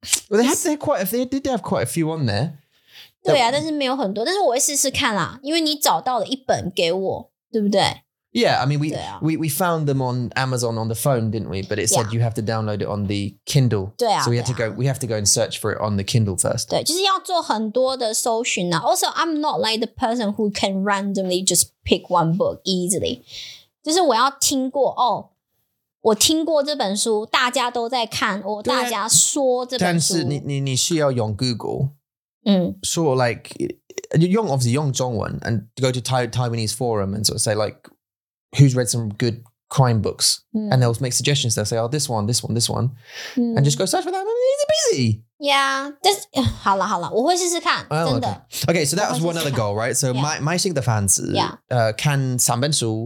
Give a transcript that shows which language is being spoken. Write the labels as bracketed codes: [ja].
[en] Well, they did have quite a few on there。 [zh] 对啊，但是没有很多，但是我会试试看啦，因为你找到了一本给我，对不对？ [en] Yeah, I mean, we found them on Amazon on the phone, didn't we? But it said、yeah. you have to download it on the Kindle. [zh] 对啊, [en] so we have to go and search for it on the Kindle first. [zh] 对，就是要做很多的搜寻啊。 [en] Also, I'm not like the person who can randomly just pick one book easily. [zh] 就是我要听过哦，我听过这本书，大家都在看，我大家说这本书。但是你需要用 Google. 嗯。 [en] Sort of like, 用 obviously 用中文 and go to Taiwanese forum and sort of say like,who's read some good crime books、 mm. and they'll make suggestions. They'll say, oh, this one, this one, this one、mm. and just go search for that. Easy peasy. [zh] Yeah. This, 好了好了，我会试试看，真的。 [en] Okay, so that was one other goal, right? So、 yeah. [zh] my 新的方式看三本书，